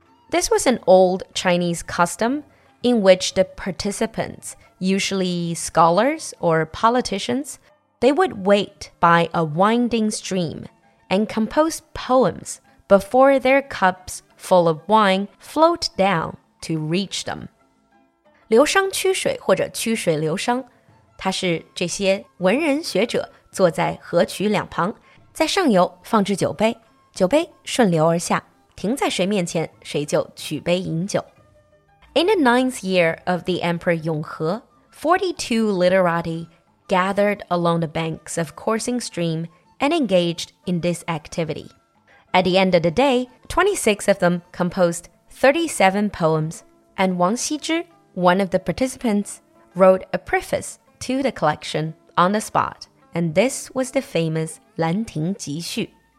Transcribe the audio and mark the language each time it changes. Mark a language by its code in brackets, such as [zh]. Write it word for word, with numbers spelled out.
[en] This was an old Chinese custom in which the participants, usually scholars or politicians, they would wait by a winding stream and compose poems before their cups full of wine float down to reach them. [zh] 流觞曲水或者曲水流觞，它是这些文人学者坐在河渠两旁，在上游放置酒杯，酒杯顺流而下，停在谁面前，谁就取杯饮酒。 [en] In the ninth year of the Emperor Yonghe, forty-two literati gathered along the banks of coursing stream and engaged in this activity. At the end of the day, twenty-six of them composed thirty-seven poems, and Wang Xizhi, one of the participants, wrote a preface to the collection on the spot, and this was the famous 兰亭集序.